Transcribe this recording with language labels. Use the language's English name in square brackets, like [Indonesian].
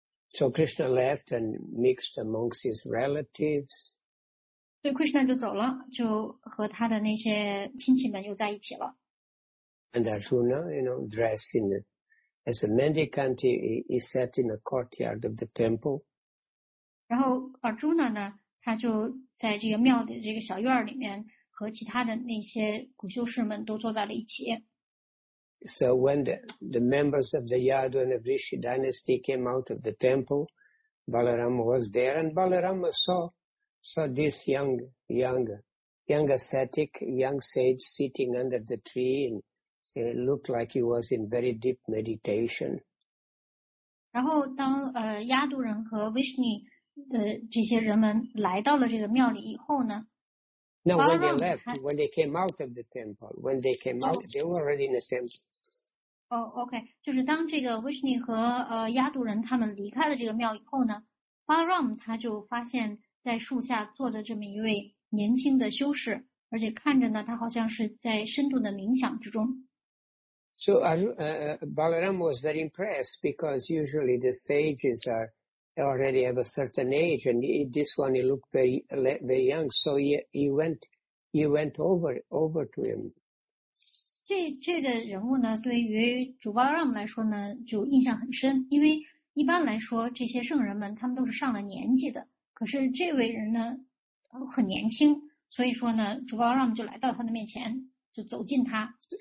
[English] So Krishna left and mixed amongst his relatives. [Chinese] 所以 Krishna 就走了，就和他的那些亲戚们又在一起了。 [English] And Arjuna, you know, dressed in as a mendicant, he sat in the courtyard of the temple. [Chinese] 然后 Arjuna 呢，他就在这个庙的这个小院里面，和其他的那些苦修士们都坐在了一起。 [English] So when the members of the Yadu and Vrishi dynasty came out of the temple, Balarama was there, and Balarama saw this young ascetic, young sage sitting under the tree, and it looked like he was in very deep meditation. [Chinese] 然后当亚度人和维什尼的这些人们来到了这个庙里以后呢 [English] ？No, when they left, when they came out of the temple, when they came out, they were already in the temple. Oh, okay. [Chinese] 就是当这个维什尼和亚度人他们离开了这个庙以后呢 ，Balaram 他就发现。在树下坐着这么一位年轻的修士，而且看着呢，他好像是在深度的冥想之中。 [English] So Balaram was very impressed because usually the sages are already have a certain age, and this one he looked very young. So he went over to him. [Chinese] 这个人物呢，对于主 Balaram 来说呢，就印象很深，因为一般来说这些圣人们他们都是上了年纪的。可是这位人呢很年轻，所以说呢主巴拉姆就来到他的面前，就走近他。